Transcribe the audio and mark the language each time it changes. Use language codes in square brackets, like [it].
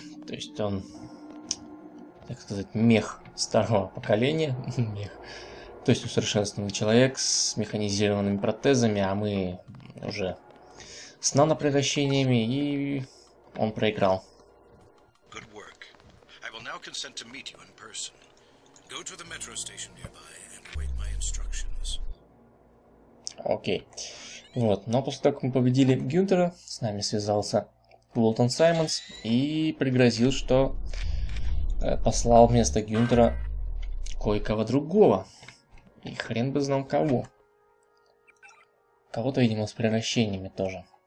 [ru] То есть он, так сказать, мех старого поколения, мех. То есть усовершенствованный человек с механизированными протезами, а мы уже с нано-превращениями, и он проиграл. [en] Good work. I will now consent to meet you in person. Go to the metro station nearby and await my instructions. [ru] Окей. Вот, но после того, как мы победили Гюнтера, с нами связался Уолтон Саймонс и пригрозил, что послал вместо Гюнтера кое-кого другого. И хрен бы знал кого. Кого-то, видимо, с превращениями тоже.